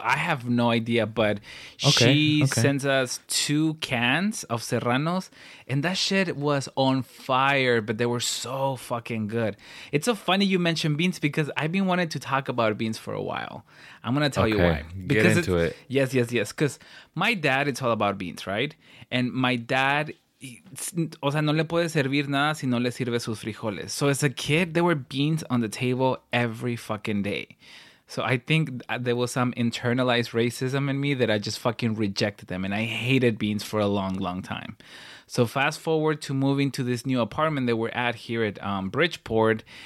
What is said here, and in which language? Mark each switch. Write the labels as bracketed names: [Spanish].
[English] I have no idea, but sends us two cans of serranos, and that shit was on fire, but they were so fucking good. It's so funny you mentioned beans, because I've been wanting to talk about beans for a while. I'm going to tell you why. Because get into it. Yes. Because my dad, it's all about beans, right? And my dad... [Spanish] O sea, no le puede servir nada si no le sirve sus frijoles. [English] So as a kid, there were beans on the table every fucking day. So I think there was some internalized racism in me that I just fucking rejected them. And I hated beans for a long, long time. So fast forward to moving to this new apartment that we're at here at Bridgeport.